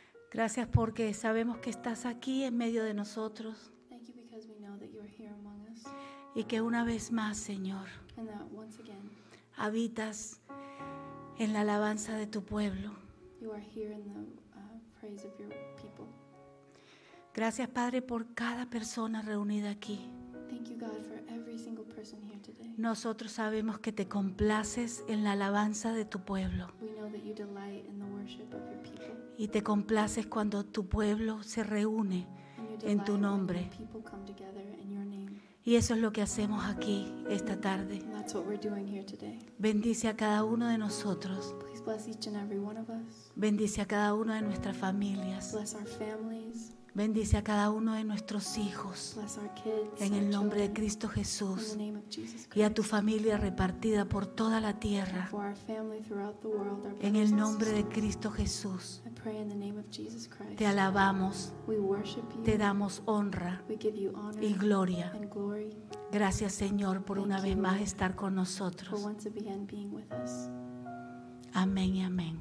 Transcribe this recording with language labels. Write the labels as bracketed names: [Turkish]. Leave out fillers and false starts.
[Spanish] Gracias porque sabemos que estás aquí en medio de nosotros. [English] Thank you because we know that you are here among us. [Spanish] Y que una vez más, Señor, [English] and that once again, [Spanish] habitas en la alabanza de tu pueblo. [English] You are here in the praise of your people. [Spanish] Gracias, Padre, por cada persona reunida aquí. [English] Thank you, God, for every single person here today. [Spanish] Nosotros sabemos que te complaces en la alabanza de tu pueblo. [English] We know that you delight in the worship of your people. [Spanish] Y te complaces cuando tu pueblo se reúne en tu nombre. [English] When your people come together in your name. [Spanish] Y eso es lo que hacemos aquí esta tarde. [English] And that's what we're doing here today. [Spanish] Bendice a cada uno de nosotros. [English] Please bless each and every one of us. [Spanish] Bendice a cada uno de nuestras familias. [English] Bless our families. [Spanish] Bendice a cada uno de nuestros hijos. [English] Bless our kids, [Spanish] en el nombre de Cristo Jesús. [English] In the name of Jesus Christ. [Spanish] Y a tu familia repartida por toda la tierra. [English] For our family throughout the world, our [Spanish] en el nombre de Cristo Jesús. [English] I pray in the name of Jesus Christ. [Spanish] Te alabamos. [English] We worship you. [Spanish] Te damos honra. [English] We give you honor [Spanish] y gloria. [English] And glory. [Spanish] Gracias, Señor, por [English] thank [Spanish] una [English] you, [Spanish] vez más estar con nosotros. [English] For once again being with us. [Spanish] Amén y amén.